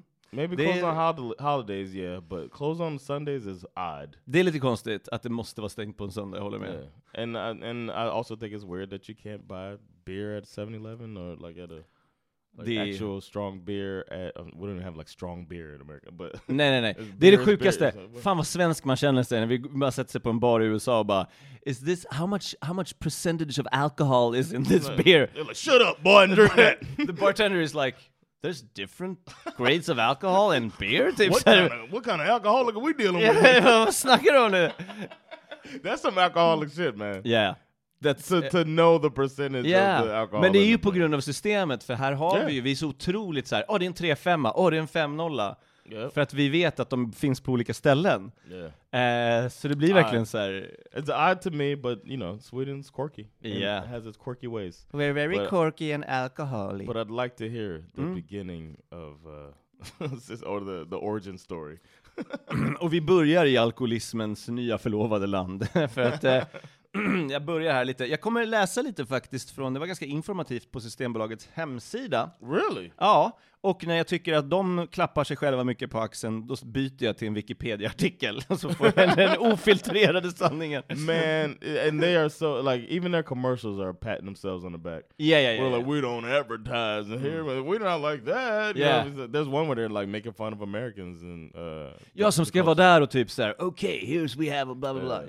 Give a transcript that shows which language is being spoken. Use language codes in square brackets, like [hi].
[en] Maybe closed on holidays, yeah, but closed on Sundays is odd. [sv] Det är lite konstigt att det måste vara stängt på en söndag, håller med. [en] Yeah. And I also think it's weird that you can't buy beer at 7-Eleven or like at a Actual strong beer at, we don't have like strong beer in America, but [sv] nej. Det är det sjukaste. Beer, fan vad svensk man känner sig när vi bara sätter sig på en bar i USA och bara, [en] is this how much percentage of alcohol is in this beer? They're like, shut up, bartender. The bartender is like, there's different grades of alcohol in beer. What kind of alcoholic are we dealing with? Snack it on it. That's some alcoholic shit, man. Yeah. To know the percentage of the alcohol. [sv] Men det är ju på grund av systemet, för här har vi är så otroligt så här, det är en 3,5, det är en 5,0. Yep. För att vi vet att de finns på olika ställen. [en] Yeah. [sv] Så det blir verkligen så här. [en] It's odd to me, but you know, Sweden's quirky. Yeah. It has its quirky ways. We're very quirky and alcoholic. But I'd like to hear the beginning of or the origin story. [sv] Och vi börjar i alkoholismens nya förlovade land. För att jag börjar här lite. Jag kommer läsa lite faktiskt från, det var ganska informativt på Systembolagets hemsida. [en] Really? [sv] Ja, och när jag tycker att de klappar sig själva mycket på axeln, då byter jag till en Wikipedia-artikel så får jag den ofiltrerade sanningen. [en] Man, and they are so, like, even their commercials are patting themselves on the back. Yeah. We're like, we don't advertise in here, but we're not like that. Yeah. You know, there's one where they're like making fun of Americans. And, [sv] ja, som ska vara där och typ så här, [en] okay, here's we have a blah, blah, [sv] blah.